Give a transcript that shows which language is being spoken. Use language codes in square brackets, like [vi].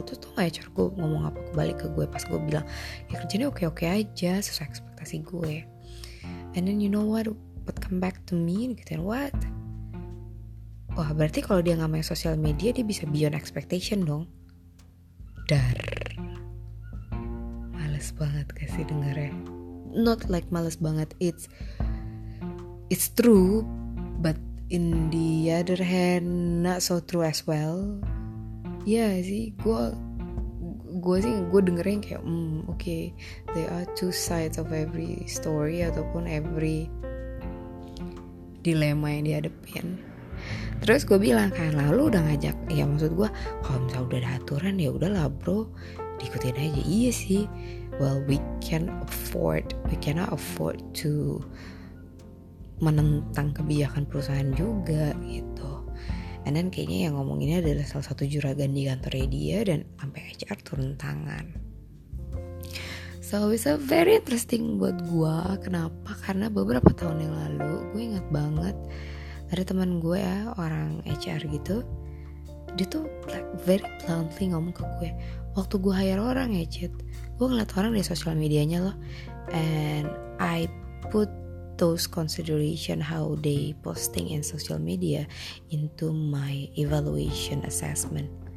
[id] Terus tau gak HR gue ngomong apa kebalik ke gue pas gue bilang ya kerjanya oke-oke aja sesuai ekspektasi gue. [en] And then you know what come back to me [id] gitu ya, [en] what? [id] Wah, berarti kalau dia gak main sosial media, dia bisa [en] beyond expectation [id] dong. Dar. Males banget gak sih dengarnya? [en] Not like [id] males banget, [en] it's true, but in the other hand, not so true as well. [id] Ya yeah, sih, gue dengerin kayak, [en] okay, there are two sides of every story, [id] ataupun [en] every dilema [id] yang dihadepin. Terus gue bilang kan, lalu udah ngajak, ya maksud gue kalau misalnya udah ada aturan ya udahlah bro, diikutin aja. Iya sih, [en] well we cannot afford to [id] menentang kebijakan perusahaan juga gitu. And then kayaknya yang ngomong ini adalah salah satu juragan di kantornya dia, dan sampai HR turun tangan. [en] So it's a very interesting [id] buat gue. Kenapa? Karena beberapa tahun yang lalu gue ingat banget ada teman gue ya, orang HR gitu. Dia tuh [en] like very bluntly [id] ngomong ke gue, waktu gue hire orang ya Cid, gue ngeliat orang di sosial medianya loh, [en] and I put those consideration how they posting in social media into my evaluation assessment.